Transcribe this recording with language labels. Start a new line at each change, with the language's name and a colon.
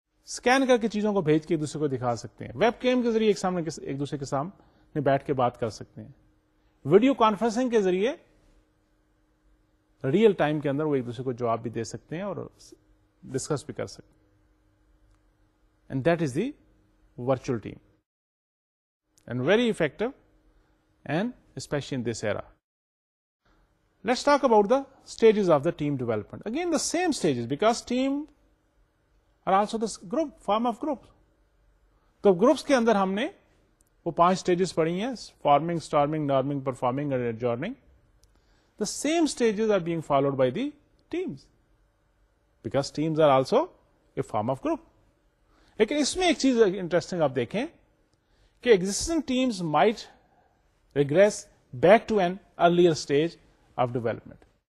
Urdu: Scan کر کے چیزوں کو بھیج کے ایک دوسرے کو دکھا سکتے ہیں, ویب کیم کے ذریعے ایک سامنے ایک دوسرے کے سامنے بیٹھ کے بات کر سکتے ہیں, ویڈیو کانفرنسنگ کے ذریعے ریئل ٹائم کے اندر وہ ایک دوسرے کو جواب بھی دے سکتے ہیں اور ڈسکس بھی کر سکتے ہیں.
English: And that is the virtual team and very effective and especially in this era. Let's talk about the stages of the team development. Again the same stages, because team are also the group form of group.
Urdu: تو groups کے اندر ہم نے وہ پانچ stages پڑھی ہیں, farming, storming, norming, performing and ایڈجورنگ.
English: The same stages are being followed by the teams because teams are also a form of group.
Urdu: Lekin isme ek cheez interesting aap dekhen ki
English: existing teams might regress back to an earlier stage of development.